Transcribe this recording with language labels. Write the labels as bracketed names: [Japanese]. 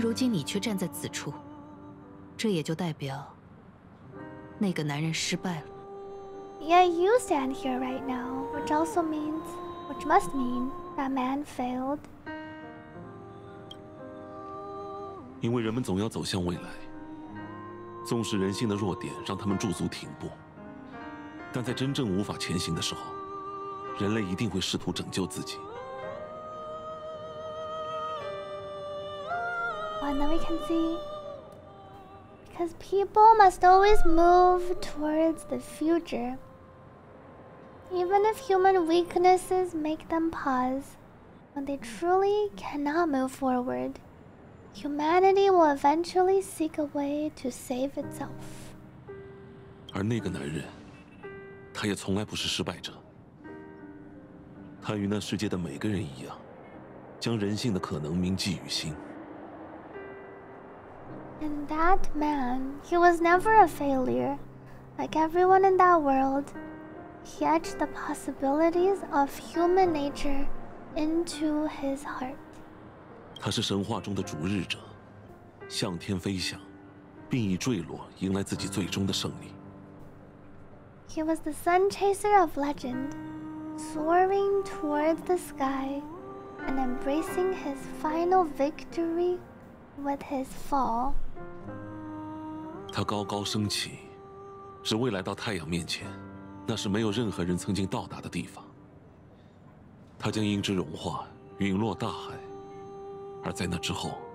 [Chinese] 但如今你却站在此处, 这也就代表, 那个男人失败了。 [English] Yeah, you stand here right now, which must mean that man failed. [Chinese] 因为人们总要走向未来，纵使人性的弱点让他们驻足停步，但在真正无法前行的时候，人类一定会试图拯救自己。And [English] then we can see, because people must always move towards the future, even if human weaknesses make them pause, when they truly cannot move forward. Humanity will eventually seek a way to save itself. [Chinese] 而那个男人, 他也从来不是失败者。他与那世界的每个人一样, 将人性的可能铭记于心。 [English] And that man, he was never a failure. Like everyone in that world, he etched the possibilities of human nature into his heart. [Chinese] 他是神话中的逐日者。向天飞翔, 并以坠落, 迎来自己最终的胜利。 [English] He was the sun chaser of legend, soaring towards the sky and embracing his final victory with his fall. [Chinese] 他高高升起，只为来到太阳面前，那是没有任何人曾经到达的地方。他将樱枝融化，陨落大海，而在那之后。